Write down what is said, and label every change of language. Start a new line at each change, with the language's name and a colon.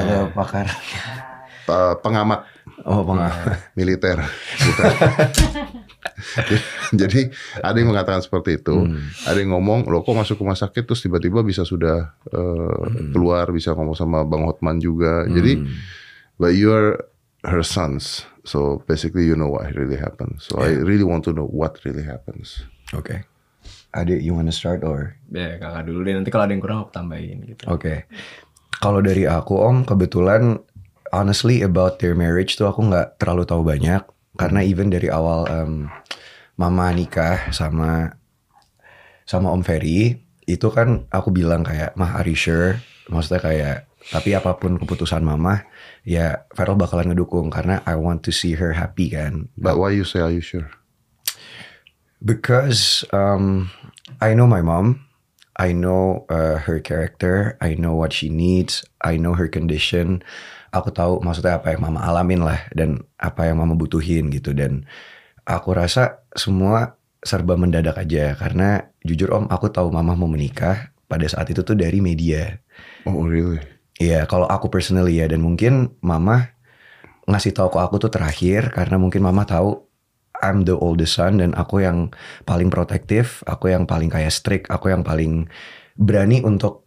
Indonesian: Atau pakar? Pengamat. Oh pengamat. Militer. Jadi ada yang mengatakan seperti itu. Ada yang ngomong, loh kok masuk rumah sakit terus tiba-tiba bisa sudah keluar, bisa ngomong sama Bang Hotman juga. Jadi,
English: but you are her sons. So basically you know what really happened. So I really want to know what really happens.
Indonesian: Oke.
English: Okay. Adik, you wanna start or?
Indonesian: Ya, kakak dulu deh. Nanti kalau ada yang kurang, aku tambahin gitu. Oke. Okay. Kalau dari aku, om, kebetulan,
English: honestly, about their marriage
Indonesian: tuh aku gak terlalu tahu banyak. Karena
English: even
Indonesian: dari awal mama nikah sama om Ferry, itu kan aku bilang kayak, mah,
English: are you sure?
Indonesian: Maksudnya kayak, tapi apapun keputusan mama, ya, Farrell bakalan ngedukung. Karena
English: I want to see her happy,
Indonesian: kan.
English: But why you say, are you sure? Because I know my mom, I know her character, I know what she needs, I know her condition.
Indonesian: Aku tahu maksudnya apa yang mama alamin lah dan apa yang mama butuhin gitu. Dan aku rasa semua serba mendadak aja karena jujur om aku tahu mama mau menikah pada saat itu tuh dari media.
English: Oh really?
Indonesian: Iya kalau aku
English: personally
Indonesian: ya dan mungkin mama ngasih tahu ke aku tuh terakhir karena mungkin mama tahu
English: I'm the oldest son
Indonesian: dan aku yang paling protektif, aku yang paling kayak
English: strict,
Indonesian: aku yang paling berani untuk